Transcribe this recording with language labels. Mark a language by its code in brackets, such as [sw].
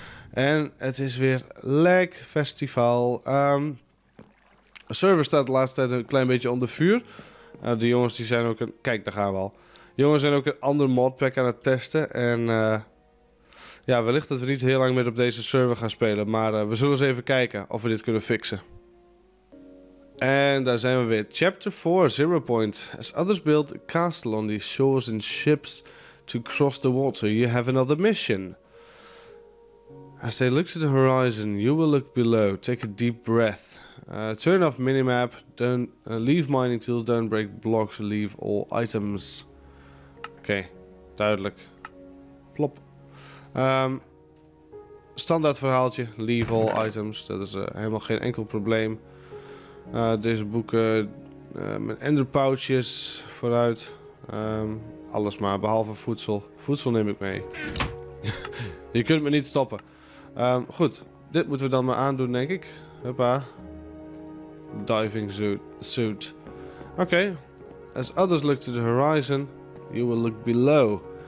[nl] En het is weer lek festival. De server staat de laatste tijd een klein beetje onder vuur. De jongens die zijn ook een... Kijk, daar gaan we al. De jongens zijn ook een ander modpack aan het testen. En ja, wellicht dat we niet heel lang meer op deze server gaan spelen. Maar we zullen eens even kijken of we dit kunnen fixen. En daar zijn we weer. [en] Chapter 4, Zero Point. As others build a castle on these shores and ships to cross the water, you have another mission. As they look to the horizon, you will look below. Take a deep breath. Turn off minimap. Leave mining tools. Don't break blocks. Leave all items. [nl] Oké, duidelijk. Plop. Standaard verhaaltje. [en] Leave all items. [nl] Dat is helemaal geen enkel probleem. Deze boeken. Mijn ender pouches vooruit. Alles maar, behalve voedsel. Voedsel neem ik mee. Je kunt me niet stoppen. Goed, dit moeten we dan maar aandoen, denk ik. Huppa. Diving suit. Oké. [en] As others look to the horizon, you will look below.